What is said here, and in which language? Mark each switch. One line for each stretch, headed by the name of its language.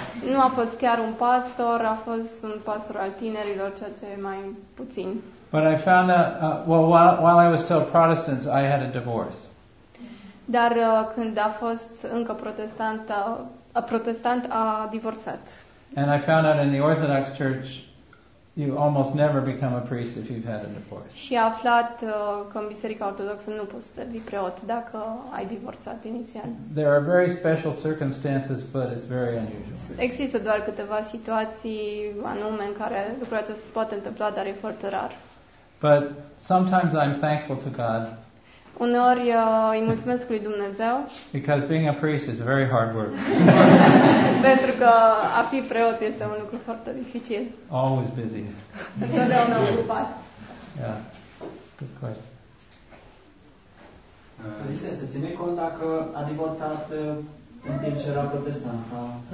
Romanian: Nu a fost chiar un pastor, a fost un pastor al tinerilor, ceea ce e mai puțin.
English: But I found out, while I was still Protestant, I had a divorce.
Romanian: Dar când a fost încă protestant, a protestant a divorțat.
English: And I found out in the Orthodox Church, you almost never become a priest if you've had a divorce.
Romanian: Și a aflat că în Biserica Ortodoxă nu poți să devii preot dacă ai divorțat inițial.
English: There are very special circumstances, but it's very unusual.
Romanian: Există doar câteva situații anume în care lucrul acesta se poate întâmpla, dar e foarte rar.
English: But sometimes I'm thankful to God.
Romanian: Uneori îi mulțumesc lui Dumnezeu.
English: Because being a priest is very hard work.
Romanian: Pentru că a fi preot este un lucru foarte dificil.
English: Always busy.
Romanian: Întotdeauna ocupat.
English: Yeah. Good question.
Romanian: Este să ține cont dacă a divorțat în timp ce era protestant sau...